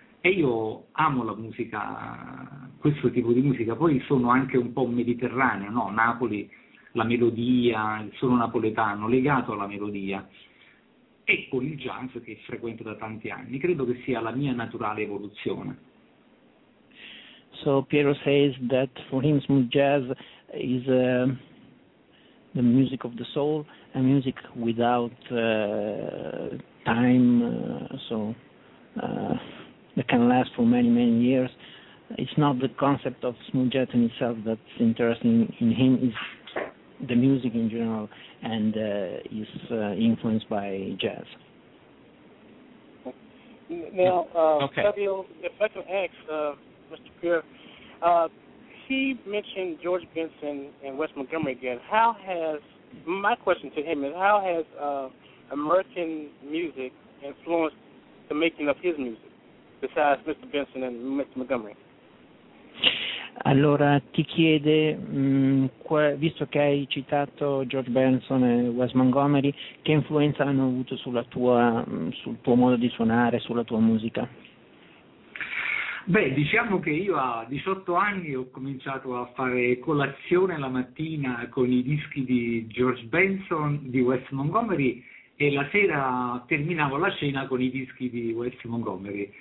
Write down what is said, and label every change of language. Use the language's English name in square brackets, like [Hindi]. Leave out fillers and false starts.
[Italian] E io amo la musica, questo tipo di musica. Poi sono anche un po' mediterraneo, no? Napoli, la melodia, sono napoletano, legato alla melodia. E con il jazz che frequento da tanti anni, credo che sia la mia naturale evoluzione. [English] So Piero says that for him smooth jazz is the music of the soul, a music without time, so that can last for many, many years. It's not the concept of smooth jazz in itself that's interesting in him, it's the music in general, and is influenced by jazz. Now, Fabio, if I can ask Mr. Pierre, he mentioned George Benson and Wes Montgomery again. My question to him is, how has American music influenced the making of his music, besides Mr. Benson and Mr. Montgomery? [Italian] Allora, ti chiede, visto che hai citato George Benson e Wes Montgomery, che influenza hanno avuto sulla tua, sul tuo modo di suonare, sulla tua musica? Beh, diciamo che io a 18 anni ho cominciato a fare colazione la mattina con i dischi di George Benson, di Wes Montgomery, e la sera terminavo la cena con i dischi di Wes Montgomery.